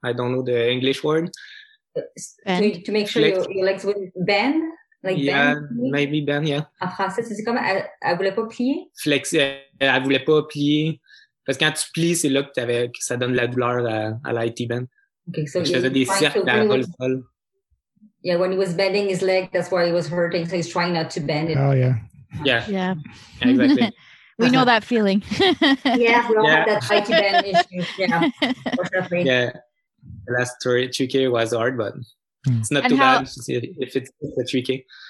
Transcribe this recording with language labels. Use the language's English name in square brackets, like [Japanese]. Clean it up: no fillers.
[English] I don't know the English word. To make sure your legs wouldn't bend? Like yeah, bend, maybe bend, yeah. [French] En français, c'est comme elle voulait pas plier? Flex, elle voulait pas plier. Parce que quand tu plies, c'est là que, que ça donne la douleur à l'IT band. [English] Okay, so [French] je faisais des cercles à vol sol. [English] Yeah, when he was bending his leg, that's why he was hurting. So he's trying not to bend it. Oh, yeah. Yeah. Yeah. Exactly. We know that feeling. Yeah, we all have that tight band issue. Yeah. Yeah. The last 3K was hard, but it's not too bad if it's a 3K.